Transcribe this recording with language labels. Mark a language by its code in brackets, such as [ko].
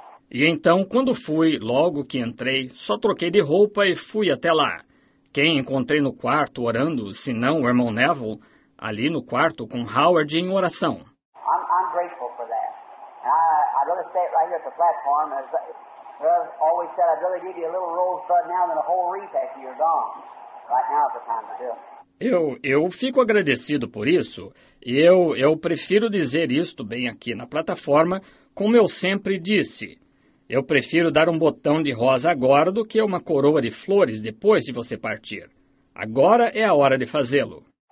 [pt] E então, quando fui, logo que entrei, só troquei de roupa e fui até lá. Quem encontrei no quarto orando, se não o irmão Neville, ali no quarto com Howard em oração. [en] I'm grateful for that. I'd rather stay right here at the platform. As I've always said, I'd rather give you a little rosebud now than a whole wreath after you're gone. Right now is the time to do it. [pt] Eu fico agradecido por isso. Eu prefiro dizer isto bem aqui na plataforma, como eu sempre disse. Eu prefiro dar um botão de rosa agora do que uma coroa de flores depois de você partir. Agora é a hora de fazê-lo.